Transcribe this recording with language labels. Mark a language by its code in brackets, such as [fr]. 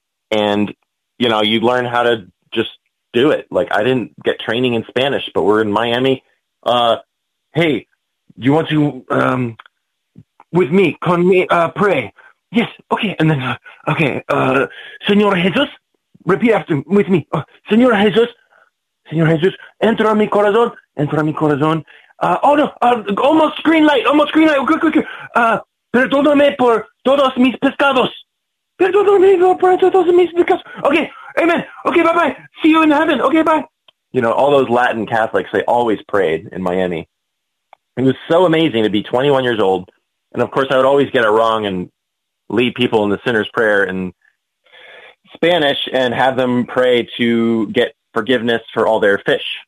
[en] And, you know, you learn how to just do it. Like, I didn't get training in Spanish, but we're in Miami. Hey, you want to with me. [es] Con me, [en] pray. Yes, okay. And then, okay, [es] Señor Jesús, [en] repeat after with me. [es] Señor Jesús, Señor Jesús, [en] enter [es] mi corazón, enter mi corazón. [en] Almost green light, quick. [es] Perdóname por todos mis pecados. Perdóname por todos mis pecados. [en] Okay, amen. Okay, bye-bye. See you in heaven. Okay, bye. You know, all those Latin Catholics, they always prayed in Miami. It was so amazing to be 21 years old. And of course, I would always get it wrong and lead people in the sinner's prayer in Spanish and have them pray to get forgiveness for all their fish.